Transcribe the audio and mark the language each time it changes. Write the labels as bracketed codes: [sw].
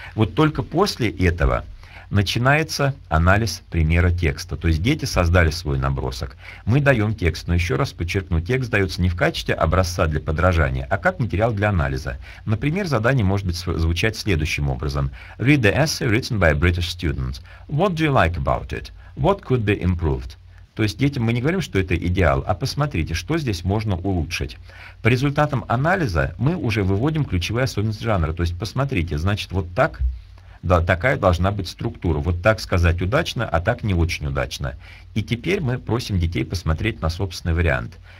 [ru] Вот только после этого начинается анализ примера текста. То есть дети создали свой набросок. Мы даем текст, но еще раз подчеркну, текст дается не в качестве образца для подражания, а как материал для анализа. Например, задание может быть звучать следующим образом. [en] Read the essay written by a British student. What do you like about it? What could be improved? [ru] То есть детям мы не говорим, что это идеал, а посмотрите, что здесь можно улучшить. По результатам анализа мы уже выводим ключевые особенности жанра. То есть посмотрите, значит, вот так, да, такая должна быть структура. Вот так сказать удачно, а так не очень удачно. И теперь мы просим детей посмотреть на собственный вариант.